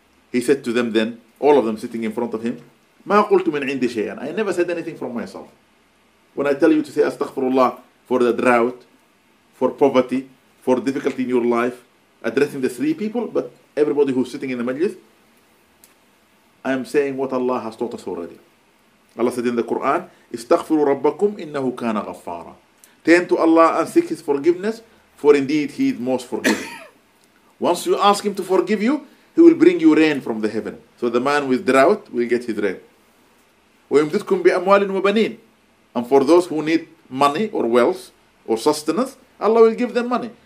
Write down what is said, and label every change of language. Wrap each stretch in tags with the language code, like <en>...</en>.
<en>He said to them then, all of them sitting in front of him,</en> <ar>ma qultu min indi shay'an.</ar> <en>I never said anything from myself. When I tell you to say astaghfirullah for the drought, for poverty, for difficulty in your life, addressing the three people, but everybody who's sitting in the majlis, I am saying what Allah has taught us already. Allah said in the Quran,</en> <ar>استغفروا ربكم إنه كان غفارا.</ar> <en>Turn to Allah and seek His forgiveness, for indeed He is most forgiving. Once you ask Him to forgive you, He will bring you rain from the heaven. So the man with drought will get his rain.</en> <ar>وَيُمْدِدْكُمْ بِأَمْوَالٍ وَبَنِينَ.</ar> <en>And for those who need money or wealth or sustenance, Allah will give them money.</en>